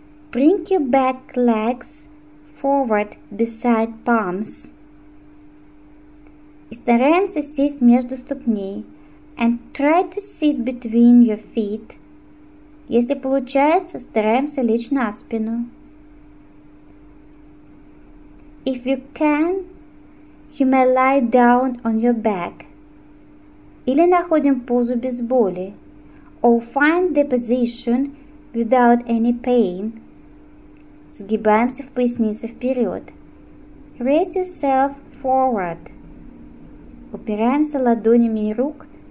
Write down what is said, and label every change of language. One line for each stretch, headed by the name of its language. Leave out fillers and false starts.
English: Bring your back legs forward beside palms.
Russian: И стараемся сесть между ступней.
English: And try to sit between your feet.
Russian: Если получается, стараемся лечь на спину.
English: If you can, you may lie down on your back.
Russian: Или находим позу без боли.
English: Or find the position without any pain.
Russian: Сгибаемся в пояснице вперед.
English: Raise yourself forward.
Russian: Упираемся ладонями рук.